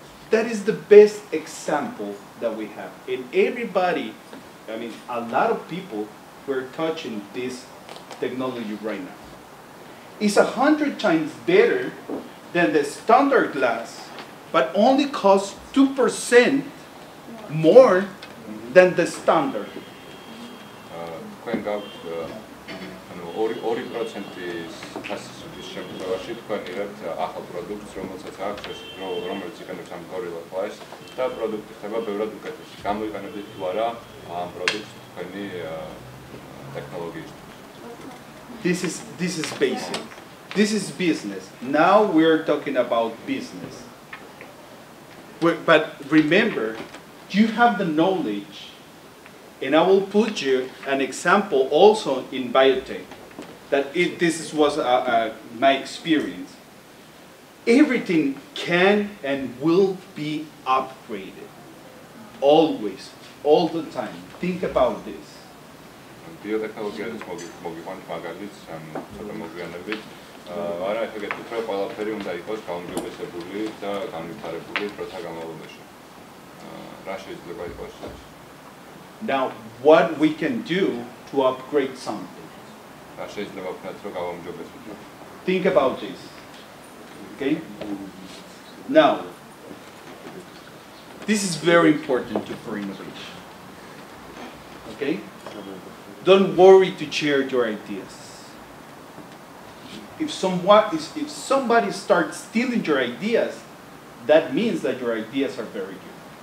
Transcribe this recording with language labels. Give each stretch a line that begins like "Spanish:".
English: That is the best example that we have. And everybody, I mean, a lot of people who are touching this technology right now. It's 100 times better than the standard glass, but only costs 2% more than the standard.
Georgian: თქვენ გაქვთ ანუ 2%-ის ფასისთვის შემთხვევაში თქვენ იღებთ ახალ პროდუქტს, რომელსაც აქვს, რომელიც იქნება ამ Gorilla Glass და პროდუქტი ხდება ბევრად უკეთესი. გამოიყენებით თუ არა ამ პროდუქტს თქვენი ტექნოლოგიის?
English: This is basic. This is business. Now we're talking about business. But remember, you have the knowledge, and I will put you an example also in biotech. This was my experience. Everything can and will be upgraded. Always, all the time. Think about this.
Georgian: Biotechnologies მოგიყვანთ მაგალითს, ანუ ცოტა მოგვიანებით. Არა, ეს ეგეთ უფრო ყველაფერი უნდა იყოს გაუმჯობესებული და განვითარებული პროცესა განმავლობაში. Რა შეიძლება იყოს?
English: Now, what we can do to upgrade something?
Georgian: Რა შეიძლება ვქნათ, რომ გავუმჯობესოთ?
English: Think about this. Okay? Now, this is very important to for innovation. Okay? Don't worry to share your ideas. If somebody starts stealing your ideas, that means that your ideas are very good.